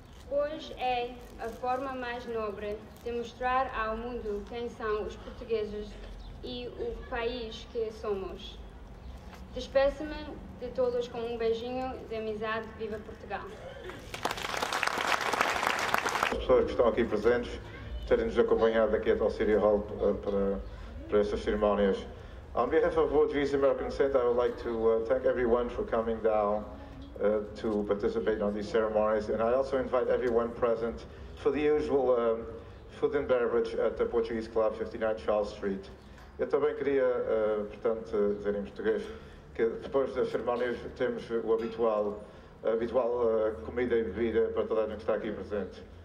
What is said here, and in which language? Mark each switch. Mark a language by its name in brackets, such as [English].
[Portuguese] Hoje é a forma mais nobre de mostrar ao mundo quem são os portugueses e o país que somos. Despeço-me de todos com um beijinho de amizade. Viva Portugal! As pessoas que estão aqui presentes terem-nos acompanhado aqui até ao City Hall para estas cerimónias. [English] On behalf of Portuguese American Center, I would like to thank everyone for coming down to participate on these ceremonies. And I also invite everyone present for the usual food and beverage at the Portuguese Club, 59 Charles Street. [Portuguese] Eu também queria, portanto, dizer em português que depois das cerimónias temos o habitual comida e bebida para toda a gente que está aqui presente.